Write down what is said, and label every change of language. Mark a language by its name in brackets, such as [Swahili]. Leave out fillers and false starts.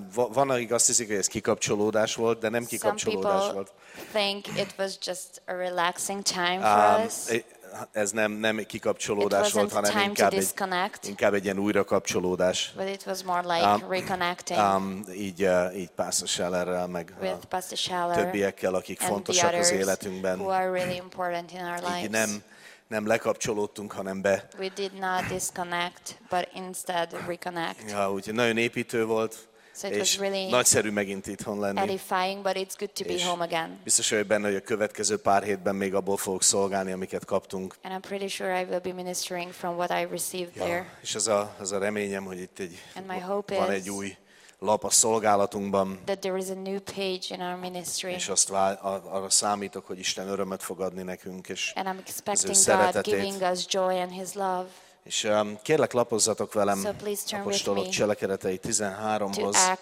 [Hungarian] Van, akik azt hiszik, hogy ez kikapcsolódás volt, de nem kikapcsolódás volt. [English] Some people think it was just a relaxing time for us. [Hungarian] Ez nem kikapcsolódás volt, hanem inkább egy ilyen újrakapcsolódás. [English] But it was more like reconnecting. [Hungarian] Így Pastor Schellerrel, meg többiekkel, akik fontosak az életünkben. [English] Who are really important in our lives. [Hungarian] Nem lekapcsolódtunk, hanem be. [English] We did not disconnect, but instead reconnect. [Hungarian] Ja, úgyhogy nagyon építő volt. [English] So it was really [Hungarian] nagyszerű megint itthon lenni. [English] Edifying, but it's good to be home again. [Hungarian] Biztos vagyok benne, hogy a következő pár hétben még abból fogok szolgálni, amiket kaptunk. [English] And I'm pretty sure I will be ministering from what I received there. [Hungarian] És az a reményem, hogy itt van egy új lap a szolgálatunkban. [English] That there is a new page in our ministry. [Hungarian] És azt arra számítok, hogy Isten örömet fog adni nekünk, és [English] and I'm expecting God giving us joy and his love. [Hungarian] És kérlek, lapozzatok velem apostolok cselekedetei 13-hoz.